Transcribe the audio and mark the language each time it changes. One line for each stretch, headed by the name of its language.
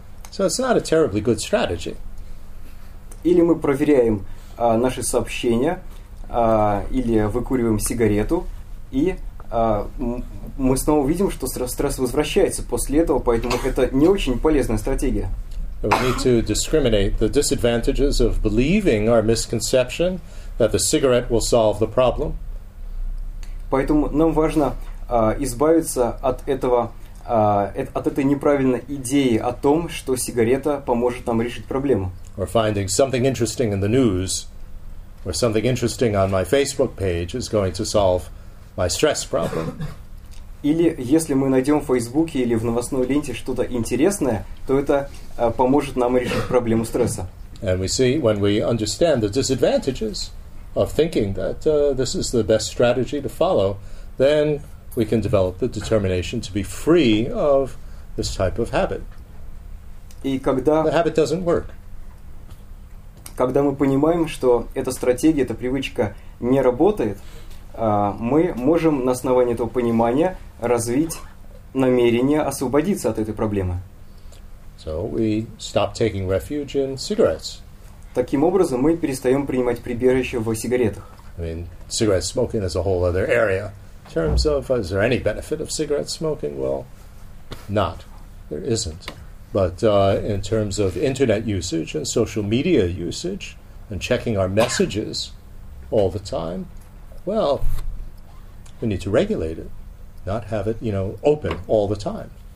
English: So it's not a terribly good strategy.
Russian: Или мы проверяем наши сообщения, или выкуриваем сигарету, и мы снова видим, что стресс возвращается после этого, поэтому это не очень полезная стратегия.
English: We need to discriminate the disadvantages of believing our misconception that the cigarette will solve the problem.
Russian: Поэтому нам важно избавиться от этого, от этой неправильной идеи о том, что сигарета поможет нам решить проблему.
English: Or finding something interesting in the news, or something interesting on my Facebook page is going to solve my stress problem.
Russian: Или если мы найдем в Фейсбуке или в новостной ленте что-то интересное, то это поможет нам решить проблему стресса.
English: And we see when we understand the disadvantages of thinking that this is the best strategy to follow, then we can develop the determination to be free of this type of habit.
Russian: И когда...
English: The habit doesn't work.
Russian: Когда мы понимаем, что эта стратегия, эта привычка не работает, мы можем на основании этого понимания развить намерение освободиться от этой проблемы.
English: So we stop taking refuge in cigarettes.
Russian: Таким образом, мы перестаем принимать прибежище в сигаретах.
English: I mean, cigarette smoking is a whole other area. In terms of, is there any benefit of cigarette smoking? Well, not. There isn't. But in terms of internet usage and social media usage and checking our messages all the time, well, we need to regulate it, not have it, you know, open all the time.